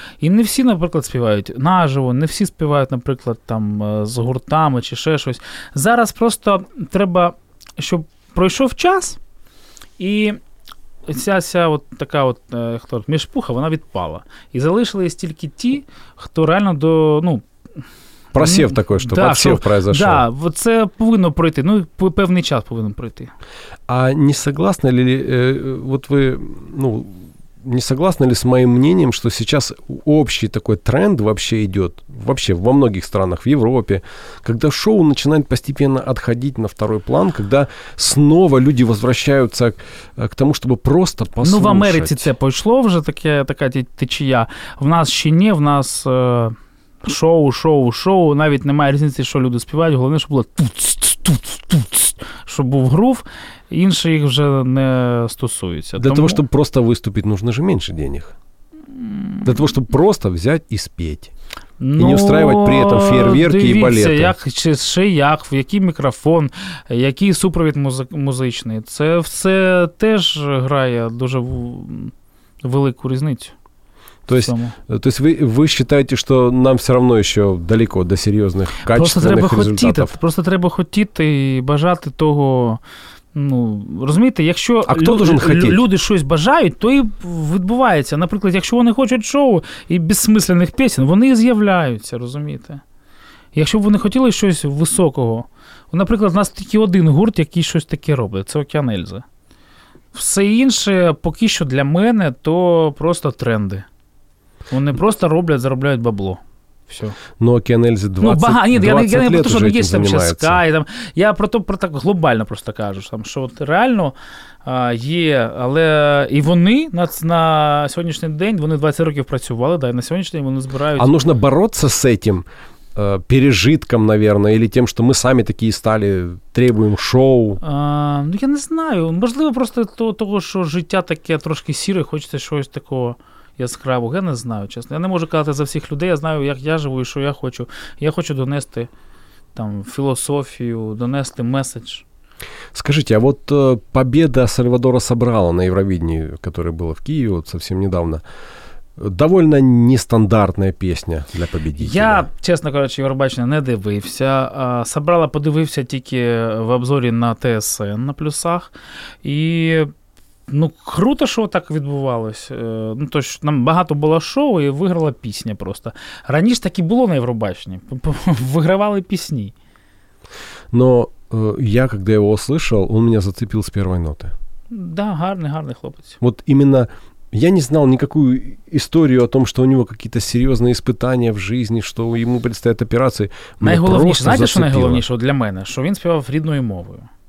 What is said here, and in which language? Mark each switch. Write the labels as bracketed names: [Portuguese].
[Ukrainian] І не всі, наприклад, співають наживо, не всі співають, наприклад, там з гуртами чи ще щось. Зараз просто треба, щоб пройшов час, і ця от така от мішпуха, вона відпала. І залишились тільки ті, хто реально до... [Russian] просів такой, что подсев произошел. Да, вот [Ukrainian] це повинно пройти, ну, певний час повинно пройти. [Russian] А не согласны ли, вот вы, ну, не согласны ли с моим мнением, что сейчас общий такой тренд вообще идет, вообще во многих странах, в Европе, когда шоу начинает постепенно отходить на второй план, когда снова люди возвращаются к тому, чтобы просто послушать. [Ukrainian] Ну, в Америці це пошло вже такая течія. В нас ще не, в нас... шоу, шоу, шоу, навіть немає різниці, що люди співають, головне, щоб було туц-туц-туц, щоб був грув, інше їх вже не стосується. Для того, щоб просто виступити, потрібно ж менше денег. Для того, щоб просто взяти і спіти. [Russian] І не устраивать при этом фейерверки [Ukrainian] дивіться, [Russian] і балети. [Ukrainian] Як, чи ще як, в який мікрофон, який супровід музичний. Це все теж грає дуже велику різницю. [Russian] То есть вы считаете, что нам все равно еще далеко до серьезных, качественных результатов? [Ukrainian] Просто треба результатов. Хотіти, просто треба хотіти і бажати того, ну, розумієте, якщо люди щось бажають, то і відбувається. Наприклад, якщо вони хочуть шоу і безсмисленних пісень, вони і з'являються, розумієте? Якщо б вони хотіли щось високого, наприклад, у нас тільки один гурт, який щось таке робить, це «Океан Ельзи». Все інше поки що для мене, то просто тренди. Вони просто роблять, заробляють бабло. Все. Ну, Океан Ельзи 20 років вже цим займається. Я про то, про так глобально просто кажу, що от реально є, але і вони на сьогоднішній день, вони 20 років працювали, да, і на сьогоднішній день вони збирають... [Russian] А нужно бороться з цим пережитком, наверное, или тем, что мы сами такие стали, требуем шоу? [Ukrainian] Ну, я не знаю. Можливо, просто того, що життя таке трошки сіре, хочеться щось такого... яскраво. Я не знаю, чесно. Я не можу казати за всіх людей. Я знаю, як я живу і що я хочу. Я хочу донести там філософію, донести меседж. Скажіть, а от [Russian] победа [Ukrainian] Сальвадора Собрала на Євровидні, яке було в Києві от зовсім недавно, [Russian] довольно [Ukrainian] нестандартна пісня для победителя. Я, чесно кажучи, Євробачення не дивився. Собрала подивився тільки в обзорі на ТСН на плюсах. І... ну, круто, що так відбувалось. Ну, то ж, нам багато було шоу і виграла пісня просто. Раніше так і було на Євробаченні. Вигравали пісні. Но я, коли його услышав, він мене зацепив з першої ноти. Да, гарний, гарний хлопець. От іменно... [Russian] Я не знал никакую историю о том, что у него какие-то серьезные испытания в жизни, что ему предстоят операции. [Ukrainian] Найголовніше, [Russian] знаете, что [Ukrainian] найголовніше для мене? [Russian] Что [Ukrainian] він співав рідною мовою.